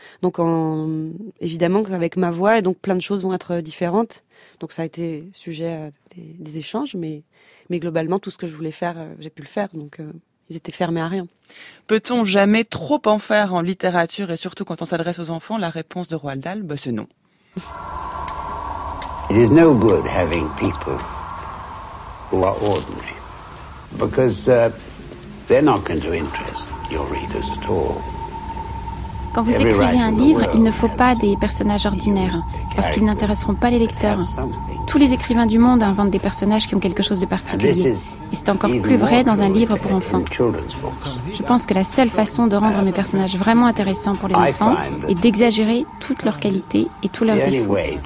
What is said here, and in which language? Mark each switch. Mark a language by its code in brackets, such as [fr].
[fr] Donc évidemment avec ma voix, et donc plein de choses vont être différentes. Donc ça a été sujet à des échanges, mais globalement tout ce que je voulais faire, j'ai pu le faire. Donc ils étaient fermés à rien. Peut-on jamais trop en faire en littérature, et surtout quand on s'adresse aux enfants? La réponse de Roald Dahl, c'est non. [en] It is no good having people who are ordinary, because they're not going to interest your readers at all. [fr] Quand vous écrivez un livre, il ne faut pas des personnages ordinaires, parce qu'ils n'intéresseront pas les lecteurs. Tous les écrivains du monde inventent des personnages qui ont quelque chose de particulier. Et c'est encore plus vrai dans un livre pour enfants. Je pense que la seule façon de rendre mes personnages vraiment intéressants pour les enfants est d'exagérer toutes leurs qualités et tous leurs défauts.